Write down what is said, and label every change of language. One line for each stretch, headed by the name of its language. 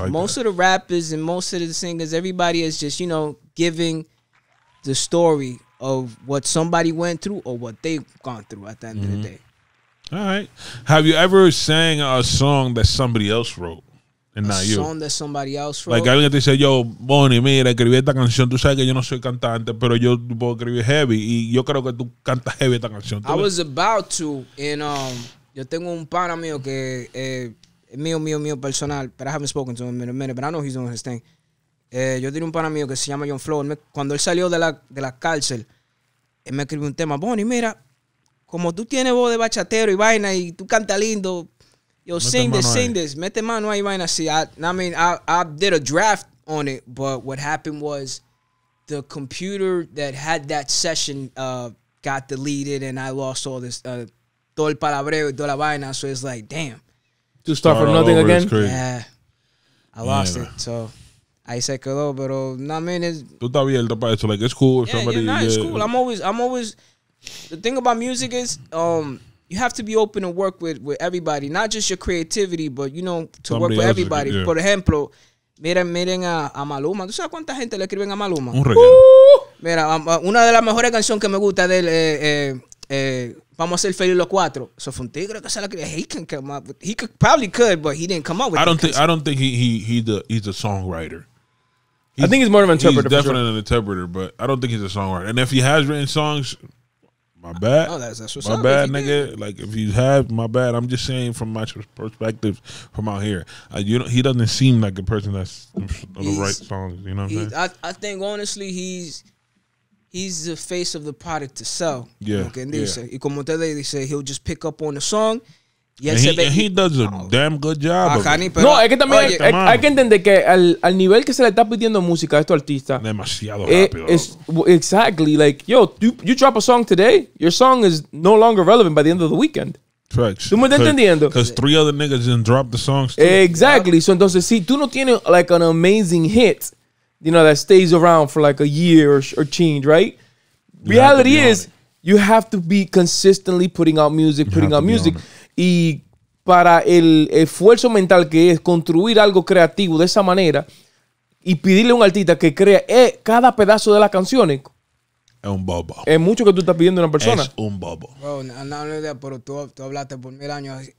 English: of the rappers and most of the singers, everybody is just, you know, giving the story of what somebody went through or what they've gone through at the end mm-hmm. of the day. All right. Have you ever sang a song that somebody else wrote? And a not you. Song that somebody else wrote.
Spanish: Like alguien te dice, yo, Bony, mira, escribí esta canción. Tú sabes que yo no soy cantante, pero yo puedo escribir heavy. Y yo creo que tú cantas heavy esta canción.
English: I was about to. And
Spanish: yo tengo un pana mío que mío personal.
English: But I haven't spoken to him in a minute. But I know he's doing his thing.
Spanish: Yo tenía un pana mío que se llama John Flow. Cuando él salió de la cárcel, él me escribió un tema. Bony, mira, como tú tienes voz de bachatero y vaina y tú cantas lindo. Yo,
English: sing this.
Spanish: Mete mano ahí, vaina.
English: See, I did a draft on it, but what happened was the computer that had that session got deleted, and I lost all this,
Spanish: todo el palabreo y toda la vaina.
English: So it's like, damn. To start from nothing again? Yeah. I lost it, so.
Spanish: Ahí se quedó, pero, no,
English: I mean, it's...
Spanish: Tú estás abierto para eso, like,
English: it's cool. Yeah, somebody, yeah, it's cool. I'm always... The thing about music is... you have to be open to work with everybody, not just your creativity, but, you know, to somebody work with everybody.
Spanish: Yeah. Por ejemplo, miren a Maluma. ¿Tú sabes cuánta gente le escriben a Maluma? Un reguero. Mira, una de las mejores canciones que me gusta de él, Vamos a ser Feliz los Cuatro. So fue un tigre que se la creía.
English: He probably could, but he didn't come up with it. I don't think he's a songwriter. I think he's more of an interpreter. He's definitely an interpreter, but I don't think he's a songwriter. And if he has written songs... My bad. If you have, my bad. I'm just saying from my perspective from out here. He doesn't seem like a person that's the right songs. You know what I'm saying? I think honestly he's the face of the product to sell. Yeah.
Spanish: Y como ustedes dicen,
English: he'll just pick up on the song. And he does a damn good job.
Spanish: No, es que también hay que entender que al nivel que se le está pidiendo música a estos artistas. Demasiado rápido.
English: Exactly. Like, yo, you drop a song today, your song is no longer relevant by the end of the weekend. Tracks.
Spanish: ¿Tú me estás entendiendo?
English: Because three other niggas didn't drop the songs too. Exactly.
Spanish: So entonces, si tú no tienes
English: like an amazing hit, you know, that stays around for like a year or change, right? Reality is, you have to be consistently putting out music.
Spanish: Y para el esfuerzo mental que es construir algo creativo de esa manera y pedirle a un artista que crea cada pedazo de las canciones es un bobo. Es mucho que tú estás pidiendo a una persona. Es un bobo. Bro, no idea, pero tú hablaste por mil años.